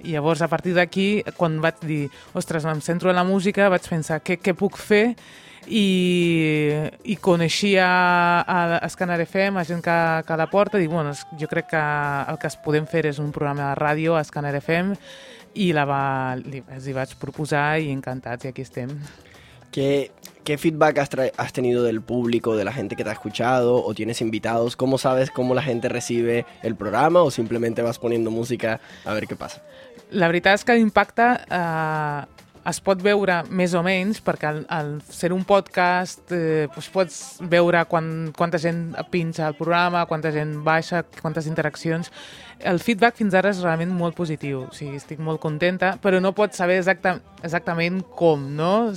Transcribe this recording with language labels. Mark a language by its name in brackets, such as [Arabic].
[Catalan] I llavors, a partir d'aquí, quan vaig dir, ostres, em centro en la música, vaig pensar, què puc fer? I coneixia a Scanner FM, a gent que la porta, dic, bueno, jo crec que el que es podem fer és un programa de ràdio a Scanner FM, i els hi vaig proposar i encantats, i aquí estem. [Spanish] ¿Qué feedback has tenido del público, de la gente que te ha escuchado o tienes invitados? ¿Cómo sabes cómo la gente recibe el programa o simplemente vas poniendo música a ver qué pasa? [Catalan] La veritat és que impacta, es pot veure més o menys, perquè al ser un podcast pues pots veure quanta gent pinja el programa, quanta gent baixa, quantes interaccions. El feedback fins ara és realment molt positiu, o sigui, estic molt contenta, però no pots saber exactament com, no?